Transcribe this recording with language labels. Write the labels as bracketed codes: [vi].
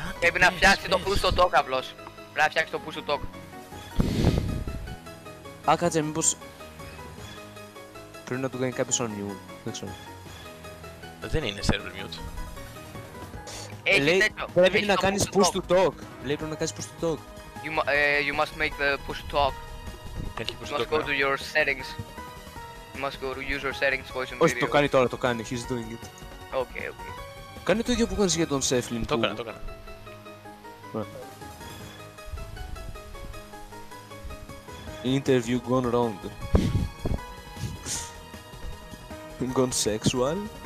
[el] Πρέπει να φτιάξει το push to talk απλώς. Πρέπει να φτιάξει το push to talk. Α, κάτσε, μήπως... πρέπει να του κάνει κάποιος on mute, δεν ξέρω. Δεν είναι server mute. Λέει, πρέπει να κάνεις push to talk. Λέει, πρέπει να κάνεις push to talk. [en] You must make the push to talk. Push you must talk go now. To your settings. You must go to user settings, voice and video. [el] Όχι, το κάνει τώρα, το κάνει. [en] He's doing it. Okay, okay. [el] Κάνει το ίδιο που κάνεις για τον Σέφλιν. Το έκανα, το έκανα. [en] Interview gone wrong. Gone sexual.